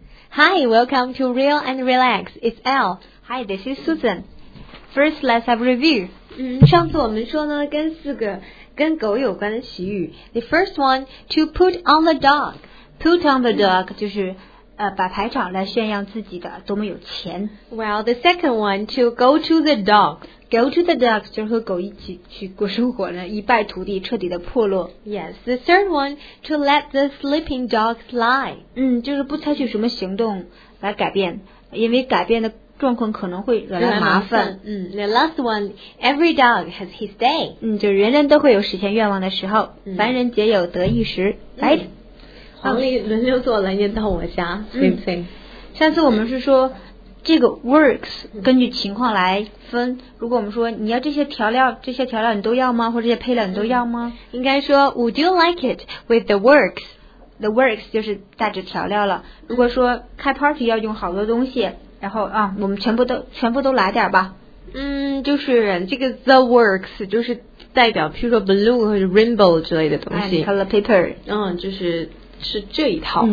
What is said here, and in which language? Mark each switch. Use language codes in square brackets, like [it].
[en] Hi, welcome to Real and Relax. It's Elle. Hi, this is Susan. First, let's have a review. [zh] 上次我们说呢，跟四个跟狗有关的习语。 [en] The first one, to put on the dog. Put on the dog [zh] 就是把排场来炫耀自己的多么有钱。 [en] Well, the second one, to go to the dogs. Go to the dogs [zh] 就是和狗一起去过生活呢，一败涂地，彻底的破落。 [en] Yes, the third one, to let the sleeping dogs lie. [zh] 就是不采取什么行动来改变，因为改变的状况可能会惹来麻烦。 [en] The last one, every dog has his day. [zh] 就人人都会有实现愿望的时候，凡人皆有得意时。来。黄历轮流做，来念到我家，行不行？上次我们是说这个 works 根据情况来分，如果我们说你要这些调料你都要吗，或者这些配料你都要吗，应该说 [en] would you like it with the works， the works [zh] 就是带着调料了。如果说开 party 要用好多东西，然后我们全部都来点吧。就是这个 [en] the works [zh] 就是代表譬如说 balloon 和 rainbow 之类的东西， [en] color paper， [zh] 就是是这一套。